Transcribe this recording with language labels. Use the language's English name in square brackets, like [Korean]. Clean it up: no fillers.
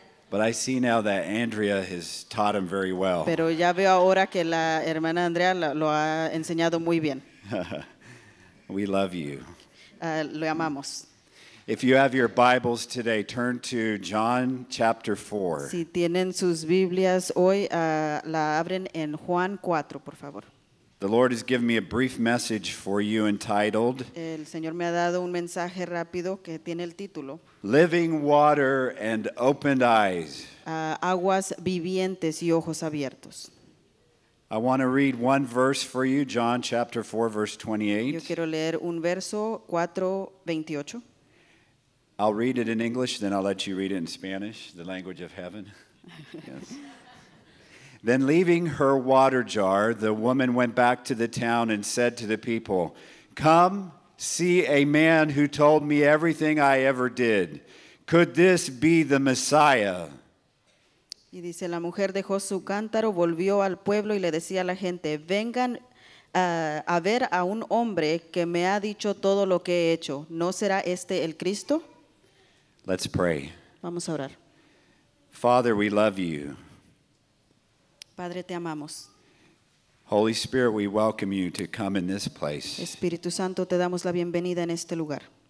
[English] But I see now that Andrea has taught him very well. [Spanish] Pero ya veo ahora que la hermana Andrea lo ha enseñado muy bien. [English] We love you. [Spanish] Lo amamos. [English] If you have your Bibles today, turn to John chapter 4. [Spanish] Si tienen sus Biblias hoy, la abren en Juan 4, por favor. [English] The Lord has given me a brief message for you entitled, [Spanish] el Señor me ha dado un mensaje rápido que tiene el título, [English] Living Water and Opened Eyes. [Spanish] Aguas vivientes y ojos abiertos. [English] I want to read one verse for you, John chapter 4, verse 28. [Spanish] Yo quiero leer un verso 4:28. [English] I'll read it in English, then I'll let you read it in Spanish, the language of heaven. Yes. Then leaving her water jar, the woman went back to the town and said to the people, "Come, see a man who told me everything I ever did. Could this be the Messiah?" [Spanish] Y dice, la mujer dejó su cántaro, volvió al pueblo y le decía a la gente, vengan a ver a un hombre que me ha dicho todo lo que he hecho. ¿No será este el Cristo? [English] Let's pray. [Spanish] Vamos a orar. [English] Father, we love you. [Spanish] Padre, te amamos. [English] Holy Spirit, we welcome you to come in this place. [Spanish] Espíritu Santo, te damos la bienvenida en este lugar.